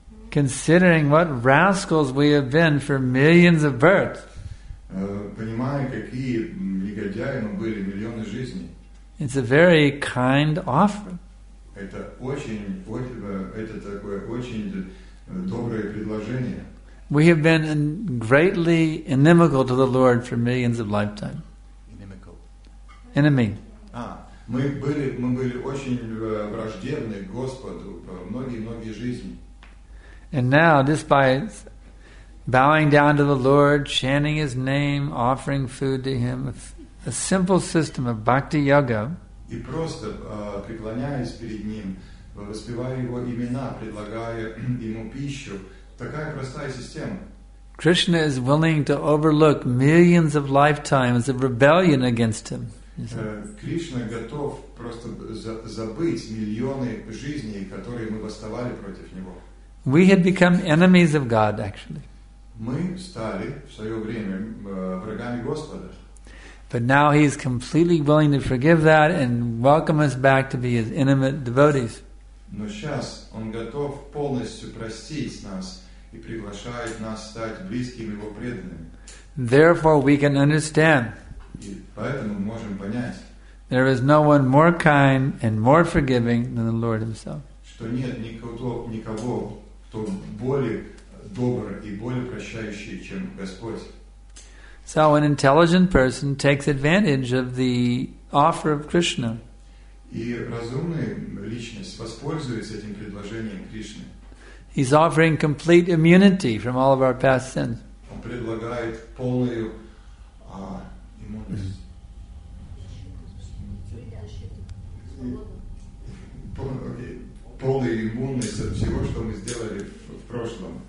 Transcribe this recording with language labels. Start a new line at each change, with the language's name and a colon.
English: Considering what rascals we have been for millions of births.
Russian: Понимая, какие негодяи мы были миллионы жизней.
English: It's a very kind offer.
Russian: Это очень такое очень доброе предложение.
English: We have been greatly inimical to the Lord for millions of lifetimes. Enemy.
Russian: Мы были очень враждебны Господу многие жизни.
English: And now, just by bowing down to the Lord, chanting His name, offering food to Him, a simple system of bhakti yoga.
Russian: И просто преклоняясь перед Ним, воспевая Его имена, предлагая Ему пищу, такая простая система.
English: Krishna is willing to overlook millions of lifetimes of rebellion against Him.
Russian: Кришна готов просто забыть миллионы жизней, которые мы восставали против него.
English: We had become enemies of God, actually.
Russian: Мы стали в свое время врагами Господа.
English: But now he is completely willing to forgive that and welcome us back to be his intimate devotees.
Russian: Но сейчас он готов полностью простить нас и приглашает нас стать близкими его преданными.
English: Therefore, we can understand.
Russian: И поэтому мы можем понять.
English: There is no one more kind and more forgiving than the Lord himself.
Russian: Что нет никого, кто более добр и более прощающий, чем Господь.
English: So an intelligent person takes advantage of the offer of Krishna.
Russian: И разумная личность воспользуется этим предложением Кришны.
English: He's offering complete immunity from all of our past sins.
Russian: Он предлагает полную иммунность от всего, что мы сделали в прошлом.